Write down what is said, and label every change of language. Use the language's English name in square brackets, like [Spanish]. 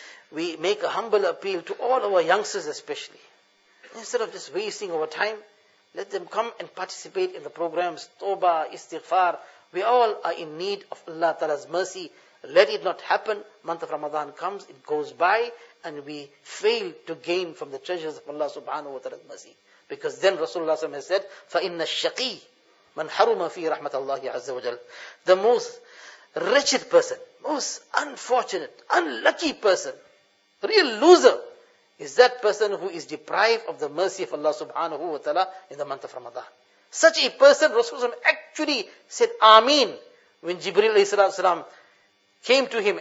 [English] We make a humble appeal to all our youngsters especially. Instead of just wasting our time, let them come and participate in the programs, Tawbah, Istighfar. We all are in need of Allah Ta'ala's mercy. Let it not happen. Month of Ramadan comes, it goes by, and we fail to gain from the treasures of Allah subhanahu wa ta'ala's mercy. Because then Rasulullah has said, [Arabic] فَإِنَّ الشَّقِي مَنْ حَرُمَ فِي رَحْمَةَ اللَّهِ عَزَّ وَجَلَّ. [English] The most wretched person, most unfortunate, unlucky person, real loser, is that person who is deprived of the mercy of Allah subhanahu wa ta'ala in the month of Ramadan. Such a person, Rasulullah actually said, Ameen, when Jibreel alayhi salatu wasalam came to him.